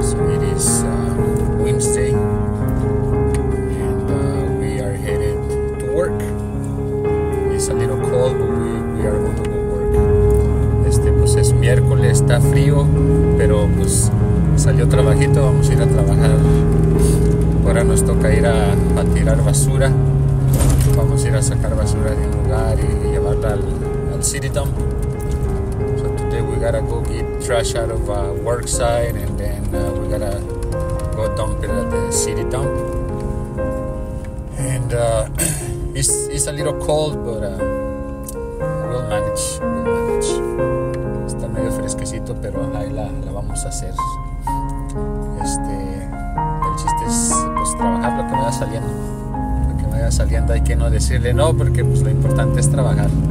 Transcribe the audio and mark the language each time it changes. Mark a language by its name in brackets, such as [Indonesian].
[English] So it is Wednesday, and we are headed to work. It's a little cold, but we are going to go work. [Spanish] Este pues es miércoles, está frío, pero pues salió trabajito, vamos a ir a trabajar. Ahora nos toca ir a tirar basura. Vamos a ir a sacar basura de un lugar y llevarla al city dump. [English] So today we gotta go get trash out of a work site, and then we gotta go dump it at the city dump. And it's a little cold, but we'll manage. We'll manage. [Spanish] Está medio fresquecito, pero ahí la vamos a hacer. El chiste es pues trabajar lo que me va saliendo. Saliendo, hay que no decirle no, porque pues lo importante es trabajar.